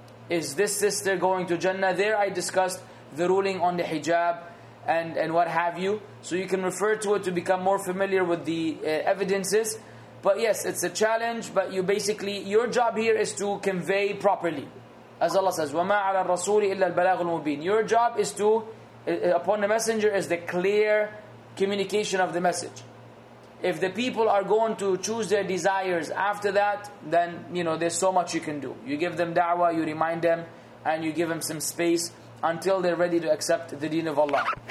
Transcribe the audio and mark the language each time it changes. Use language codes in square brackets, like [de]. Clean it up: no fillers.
[en] Is This Sister Going to Jannah? There I discussed the ruling on the hijab and what have you. So you can refer to it to become more familiar with the evidences. But yes, it's a challenge, but you basically, your job here is to convey properly. As Allah says, [ar] وَمَا عَلَى الرَّسُولِ إِلَّا الْبَلَاغُ الْمُبِينَ. [en] Your job is to, upon the messenger, is the clear communication of the message. If the people are going to choose their desires after that, then, you know, there's so much you can do. You give them da'wah, you remind them, and you give them some space until they're ready to accept the deen of Allah.